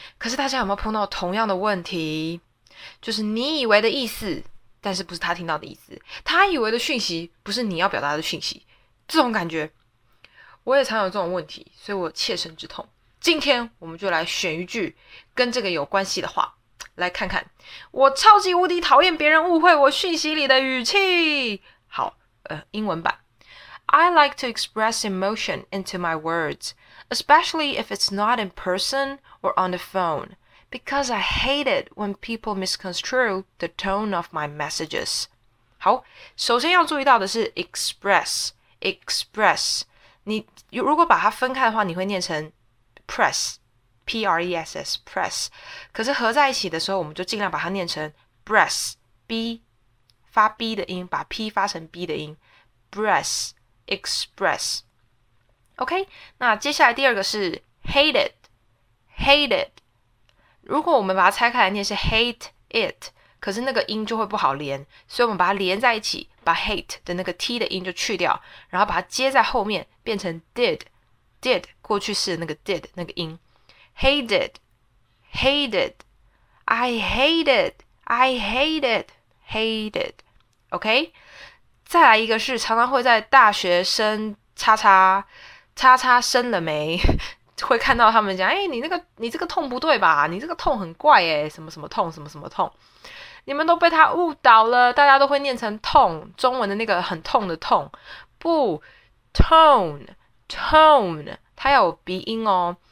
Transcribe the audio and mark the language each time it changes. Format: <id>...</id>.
<zh>可是大家有没有碰到同样的问题？就是你以为的意思，但是不是他听到的意思；他以为的讯息，不是你要表达的讯息。这种感觉，我也常有这种问题，所以我切身之痛。今天我们就来选一句跟这个有关系的话。来看看，我超级无敌讨厌别人误会我讯息里的语气。好，英文版。</zh> <en>I like to express emotion into my words, especially if it's not in person or on the phone, because I hate it when people misconstrue the tone of my messages.</en> <zh>好，首先要注意到的是 express。你如果把它分开的话，你会念成 press。 press press，可是合在一起的时候，我们就尽量把它念成 breath b，发 b 的音，把 p 发成 b 的音，breath express。 OK，那接下来第二个是 hate it，hate it。如果我们把它拆开来念是 hate it，可是那个音就会不好连，所以我们把它连在一起，把 hate 的那个 t 的音就去掉，然后把它接在后面变成 did 过去式的那个 did 那个音。</zh> <en>Hated, hated, I hate it, I hate it, hated.</en> <zh>OK，再来一个是常常会在大学生叉叉叉叉生了没，会看到他们讲，哎，你这个痛不对吧？你这个痛很怪哎，什么什么痛，什么什么痛，你们都被他误导了。大家都会念成痛，中文的那个很痛的痛，不，tone，它要有鼻音哦。</zh>